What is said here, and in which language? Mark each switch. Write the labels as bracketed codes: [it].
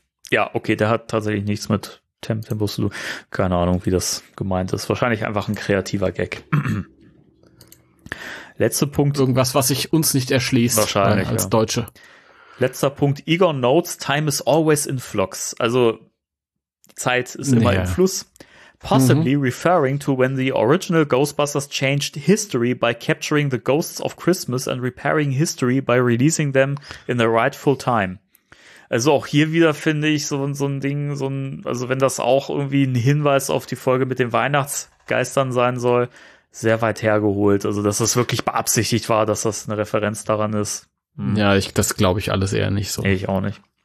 [de] Ja, okay, der hat tatsächlich nichts mit Tempus zu tun. Keine Ahnung, wie das gemeint ist. Wahrscheinlich einfach ein kreativer Gag. Letzter Punkt. Irgendwas, was sich uns nicht erschließt. Wahrscheinlich, als ja. Deutsche. Letzter Punkt. [en] Egon notes, time is always in flux. [de] Also, Zeit ist immer im Fluss. [en] Possibly referring to when the original Ghostbusters changed history by capturing the ghosts of Christmas and repairing history by releasing them in the rightful time. [de] Also auch hier wieder finde ich so ein Ding, so ein, also wenn das auch irgendwie ein Hinweis auf die Folge mit den Weihnachtsgeistern sein soll, sehr weit hergeholt. Also dass das wirklich beabsichtigt war, dass das eine Referenz daran ist. Hm. Ja, ich, das glaube ich alles eher nicht so. Ich auch nicht.